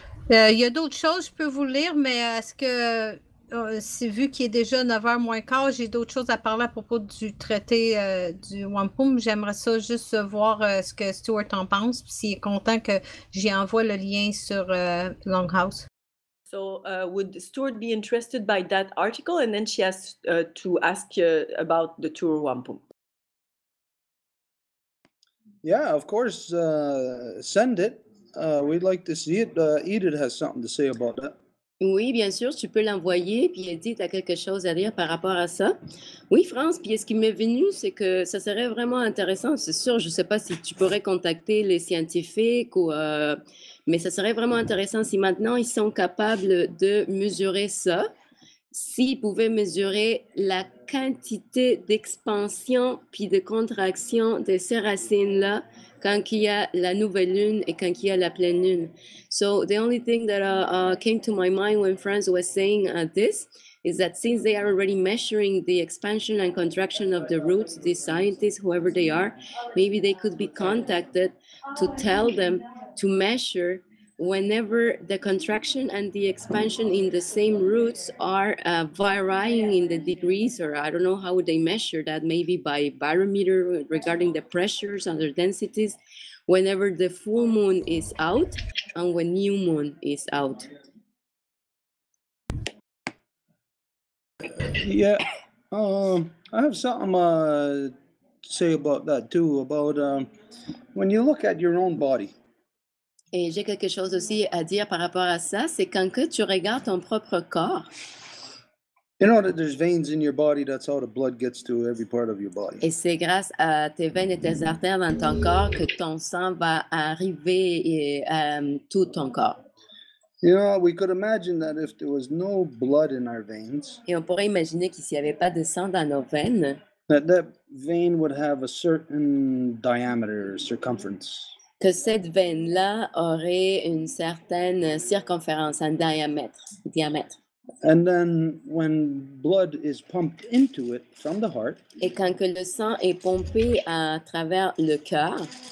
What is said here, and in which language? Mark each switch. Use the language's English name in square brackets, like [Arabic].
[French] Il y a d'autres choses, je peux vous lire, mais est-ce que, c'est vu qu'il est déjà 9h moins quart, j'ai d'autres choses à parler à propos du traité du Wampum. J'aimerais ça juste voir ce que Stuart en pense, puis s'il est content que j'y envoie le lien sur Longhouse. [English] So, would Stuart be interested by that article? And then she has to ask about the tour Wampum. Yeah, of course, send it. We'd like to see it. Edith has something to say about that. [French] Oui, bien sûr, tu peux l'envoyer, puis Edith a quelque chose à dire par rapport à ça. Oui, France, puis ce qui m'est venu, c'est que ça serait vraiment intéressant, c'est sûr, je ne sais pas si tu pourrais contacter les scientifiques, ou, mais ça serait vraiment intéressant si maintenant ils sont capables de mesurer ça, s'ils pouvaient mesurer la quantité d'expansion puis de contraction de ces racines-là, quand il y a la nouvelle lune et quand il y a la pleine lune. [English] So the only thing that came to my mind when friends were saying this is that since they are already measuring the expansion and contraction of the roots, the scientists, whoever they are, maybe they could be contacted to tell them to measure whenever the contraction and the expansion in the same roots are varying in the degrees, or I don't know how they measure that, maybe by barometer regarding the pressures and their densities, whenever the full moon is out and when new moon is out. Yeah, I have something to say about that too, about when you look at your own body. [French] Et j'ai quelque chose aussi à dire par rapport à ça, c'est quand que tu regardes ton propre corps. [English] You know that there's veins in your body, that's how the blood gets to every part of your body. [French] Et c'est grâce à tes veines et tes artères dans ton corps que ton sang va arriver et tout ton corps. [English] You know, we could imagine that if there was no blood in our veins. [French] Et on pourrait imaginer qu'il n'y avait pas de sang dans nos veines. [English] That vein would have a certain diameter, circumference. [French] Que cette veine-là aurait une certaine circonférence, un diamètre. [English] And then when blood is pumped into it from the heart, [French] et quand que le sang est pompé à travers le cœur,